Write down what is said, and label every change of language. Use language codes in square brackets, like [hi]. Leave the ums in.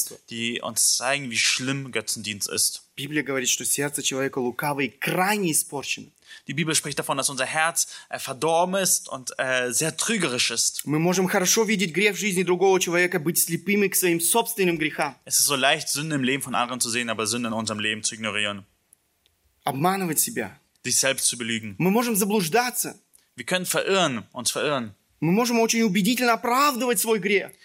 [de] Die uns zeigen, wie schlimm Götzendienst ist. [ru] Библия говорит, что сердце человека лукаво и крайне испорчено. [de] Die Bibel spricht davon, dass unser Herz äh, verdorben ist und äh, sehr trügerisch ist. [ru] Мы можем хорошо видеть грех в жизни другого человека, быть слепыми к своим собственным грехам. [de] Es ist so leicht, Sünden im Leben von anderen zu sehen, aber Sünden in unserem Leben zu ignorieren. [ru] Обманывать себя. [de] Dich selbst zu belügen. [ru] Мы можем заблуждаться. [de] Wir können verirren, uns verirren. [ru] Мы можем очень убедительно оправдывать свой грех.